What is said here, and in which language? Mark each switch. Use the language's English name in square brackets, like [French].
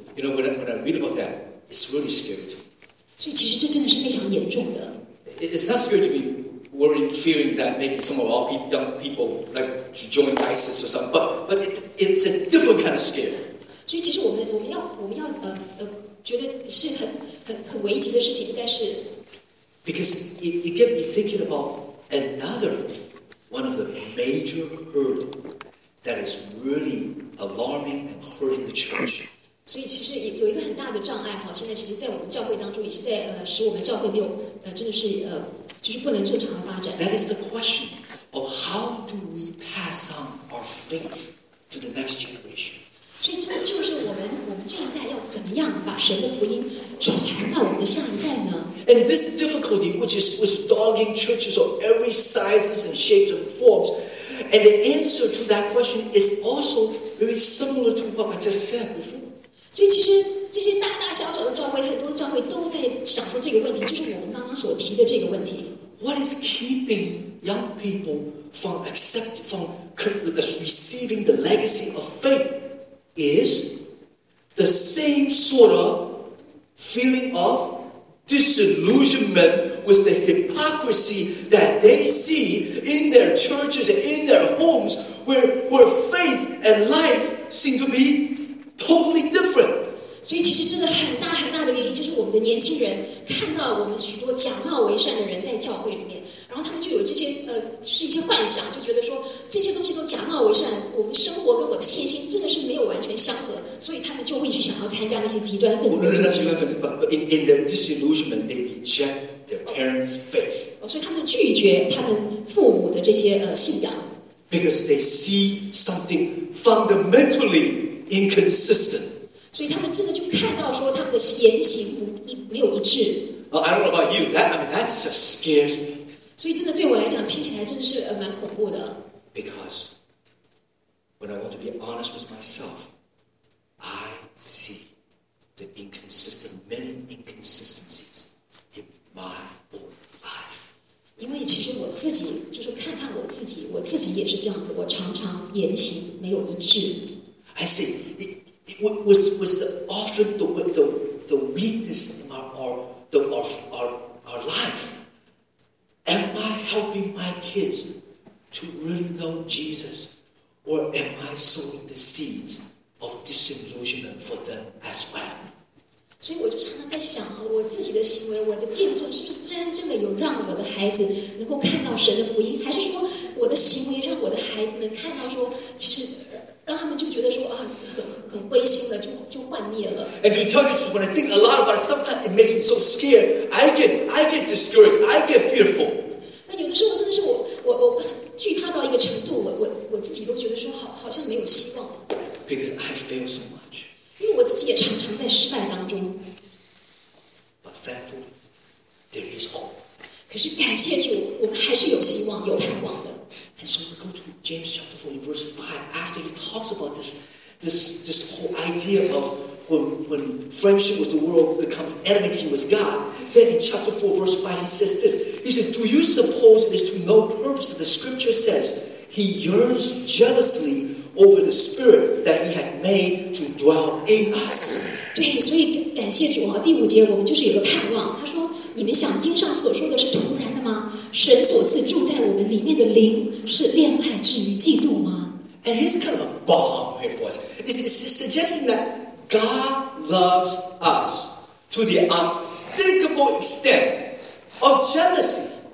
[English] You know, when I read about that, it's really scary to me. [Chinese] 所以其实这真的是非常严重的。 [English] It's not scary to me, worrying, fearing that maybe some of our young people like to join ISIS or something, but it's a different kind of scare. [Chinese] 所以其实我们要觉得是很危急的事情，但是。 [English] Because it gets me thinking about another one of the major hurdles that is really alarming and hurting the church. [Chinese] 所以其实有一个很大的障碍哈，现在其实，在我们教会当中，也是在使我们教会没有真的是就是不能正常的发展。 [English] That is the question of how do we pass on our faith to the next generation. [Chinese] 所以这个就是我们这一代要怎么样把神的福音传到我们的下一代呢？ [English] And this difficulty, which is dogging churches of every sizes and shapes and forms, and the answer to that question is also very similar to what I just said before. [Chinese] 所以其实这些大大小小的教会，很多教会都在想说这个问题，就是我们刚刚所提的这个问题。 [English] What is keeping young people from receiving the legacy of faith is the same sort of feeling of disillusionment with the hypocrisy that they see in their churches and in their homes where faith and life seem to be totally different. [Chinese] 所以其实真的很大很大的原因就是我们的年轻人看到我们许多假冒为善的人在教会里面，然后他们就有这些是一些幻想，就觉得说这些东西都假冒为善，我们的生活跟我的信心真的是没有完全相合，所以他们就会去想要参加那些极端分子的组织。 [English] But in their disillusionment, they reject their parents' faith. [Chinese] 所以他们就拒绝他们父母的这些信仰。 [English] Because they see something fundamentally inconsistent. [Chinese] 所以他们真的就看到说他们的言行没有一致。 [English] I don't know about you, that just scares me. [Chinese] 所以真的对我来讲听起来真的是蛮恐怖的。 [English] Because when I want to be honest with myself, I see the inconsistent, many inconsistencies in my own life. [Chinese] 因为其实我自己就是看我自己也是这样子，我常常言行没有一致。 [English] I see, it was the, often the weakness in our life. Am I helping my kids to really know Jesus, or am I sowing the seeds of disillusionment for them as well? [Chinese] 所以我就常常在想啊，我自己的行为，我的见证是不是真正的有让我的孩子能够看到神的福音，还是说我的行为让我的孩子们看到说，其实让他们就觉得说啊，很灰心了，就幻灭了。 [English] And to tell you the truth, when I think a lot about it, sometimes it makes me so scared. I get discouraged. I get fearful. [Chinese] 那有的时候真的是我惧怕到一个程度，我自己都觉得说好像没有希望。 [English] Because I fail so much. [Chinese] 因为我自己也常常在失败当中。 [English] But thankfully, there is hope. [Chinese] 可是感谢主，我们还是有希望，有盼望的。 [English] And so we go to James chapter 4 verse 5 after he talks about this whole idea of when friendship with the world becomes enmity with God. Then in chapter 4 verse 5 he says this. He says, do you suppose it is to no purpose that the scripture says he yearns jealously over the spirit that he has made to dwell in us? [Chinese] 对，所以感谢主啊，第五节我们就是有个盼望。他说你们想经上所说的是突然的吗？神所赐住在我们里面的灵是恋爱至于嫉妒吗？ [English] And here's kind of a bomb here for us. It's suggesting that God loves us to the unthinkable extent of jealousy.